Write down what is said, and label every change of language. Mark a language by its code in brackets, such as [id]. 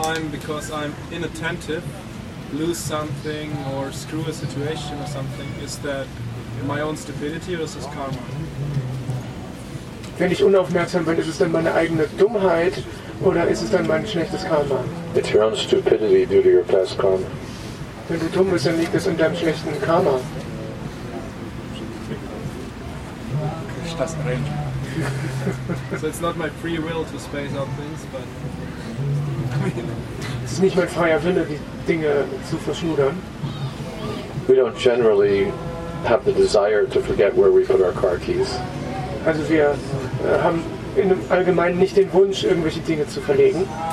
[en] Because I'm inattentive, lose something or screw a situation or something, is that my own stupidity or is this karma? [de] Wenn ich unaufmerksam bin, ist es dann meine eigene Dummheit oder ist es dann mein schlechtes Karma? [en] It's your own stupidity due to your past karma. [de] Wenn du dumm bist, dann liegt es in deinem schlechten Karma. Ich das nicht. [en] So it's not my free will to space out things, but... [de] Es ist nicht mein freier Wille, die Dinge zu verschnudern. [en] We don't generally have the desire to forget where we put our car keys. [de] Also wir haben in dem Allgemeinen nicht den Wunsch, irgendwelche Dinge zu verlegen.